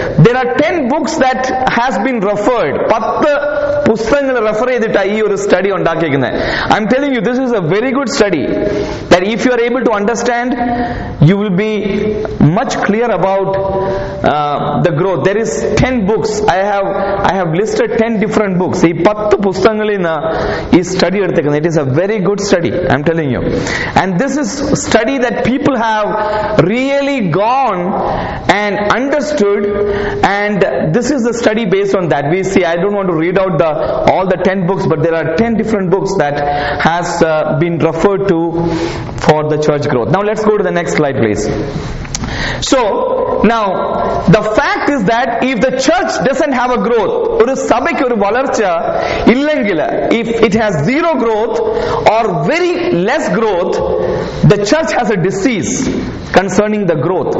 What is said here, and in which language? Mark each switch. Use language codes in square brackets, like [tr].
[en] There are 10 books that has been referred. [ml] 10 പുസ്തകങ്ങൾ refer ചെയ്തിട്ട് ഈ ഒരു സ്റ്റഡി ഉണ്ടാക്കിയിരിക്കുന്നത്. [en] I'm telling you this is a very good study that if you are able to understand you will be much clear about the growth. There is 10 books. I have listed 10 different books. [ml] ഈ 10 പുസ്തകങ്ങളിൽ നിന്ന് ഈ study എടുത്തിരിക്കുന്നത്. [en] It is a very good study. I'm telling you. And this is study that people have really gone and understood and this is the study based on that. We see I don't want to read out the all the 10 books, but there are 10 different books that has been referred to for the church growth. Now let's go to the next slide please. So now the fact is that if the church doesn't have a growth, [ml] oru sabaykku oru valarcha illengil, [en] if it has zero growth or very less growth, the church has a disease concerning the growth.